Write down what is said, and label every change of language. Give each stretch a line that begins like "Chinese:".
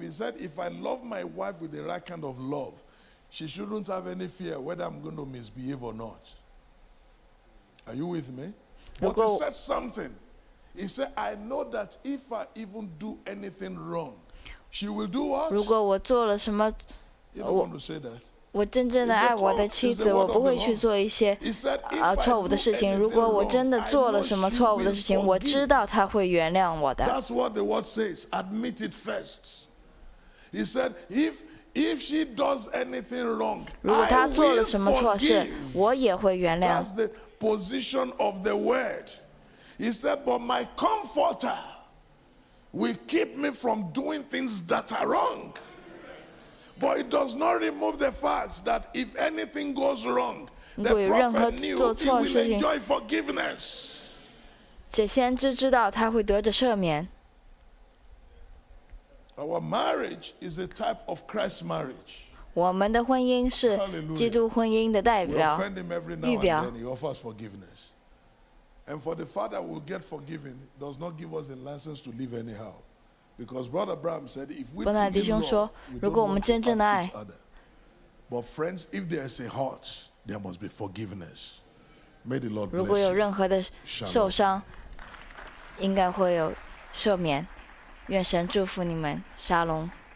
English: He said, "If I love my wife with the right kind of love, she shouldn't have any fear whether I'm going to misbehave or not." Are you with me? But he said something. He said, "I know that if I even do anything wrong, she will do what?"
Chinese: 如果我做了什么，
English: you don't want to say that.
Chinese: 我真正的爱我的妻子，我不会去做一些错误的事情。如果我真的做了什么错误的事情，我知道她会原谅我的。
English: That's what the word says. Admit it first. He said, "If she does anything wrong, I will forgive." That's the position of the word. He said, "But my comforter will keep me from doing things that are wrong. But it does not remove the fact that if anything goes wrong, the prophet knew he will enjoy forgiveness."
Chinese: 这先知知道他会得着赦免。
English: Our marriage is a type of Christ's marriage.
Chinese: 我们的婚姻是基督婚姻的代表、预表。
English: He offers forgiveness. And for the father who will get forgiven does not give us a license to live anyhow. Because Brother Bram said, if we truly love, we don't want to hurt each other. But friends, if there is a hurt, there must be forgiveness. May the Lord bless you.
Chinese: 如果有任何的受伤，应该会有赦免。愿神祝福你们，沙龙。